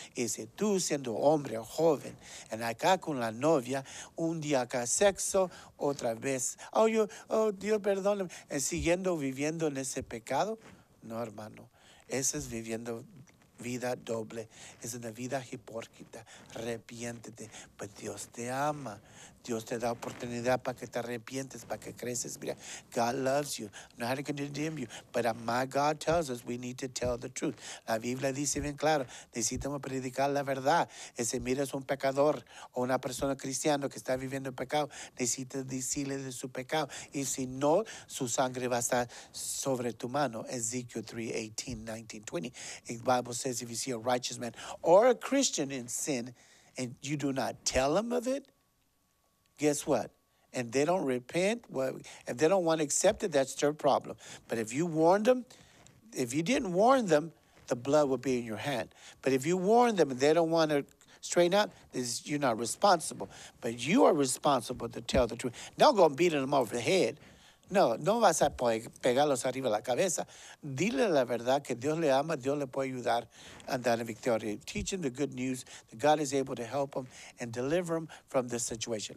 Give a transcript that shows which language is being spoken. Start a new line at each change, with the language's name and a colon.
Spanish: Y si tú siendo hombre o joven, en acá con la novia, un día acá sexo, otra vez, Dios perdóname, siguiendo viviendo en ese pecado, no, hermano, ese es viviendo vida doble, es una vida hipócrita. Arrepiéntete, pues Dios te ama. Dios te da oportunidad para que te arrepientes, para que creces.
English: Mira, God loves you. I'm not going to condemn you. But my God tells us we need to tell the truth.
Spanish: La Biblia dice bien claro, necesitamos predicar la verdad. Y si miras un pecador o una persona cristiana que está viviendo en pecado, necesitas decirle de su pecado. Y si no, su sangre va a estar sobre tu mano.
English: Ezekiel 3, 18, 19, 20. The Bible says if you see a righteous man or a Christian in sin and you do not tell him of it, guess what? And they don't repent, if they don't want to accept it, that's their problem. But if you warned them, if you didn't warn them, the blood would be in your hand. But if you warn them and they don't want to straighten out, you're not responsible. But you are responsible to tell the truth. Not going to beat them over the head.
Spanish: No vas a pegarlos arriba la cabeza. Dile la verdad que Dios le ama, Dios le puede ayudar a andar en victoria.
English: Teach them the good news that God is able to help them and deliver them from this situation.